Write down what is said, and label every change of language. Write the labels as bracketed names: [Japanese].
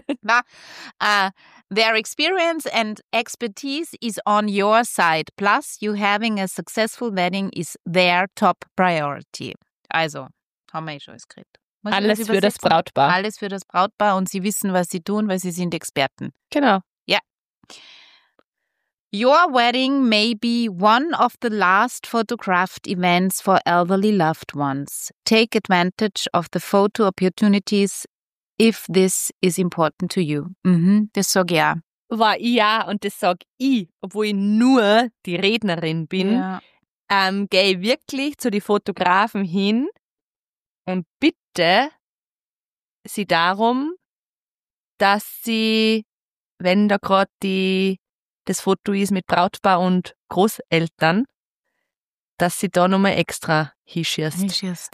[English] Their experience and expertise is on your side. Plus, you having a successful wedding is their top priority. [German] Also, haben wir eh schon alles gekriegt. Alles für das Brautpaar. Alles für das Brautpaar und sie wissen, was sie tun, weil sie sind Experten. Genau. Ja. [English] Your wedding may be one of the last photographed events for elderly loved ones. Take advantage of the photo opportunities if this is important to you. [German] Mhm, das sag ich auch. War ich auch und das sag ich, obwohl ich nur die Rednerin bin, ja. Gehe wirklich zu den Fotografen hin und bitte sie darum, dass sie, wenn da gerade das Foto ist mit Brautpaar und Großeltern, dass sie da nochmal extra hinschießt.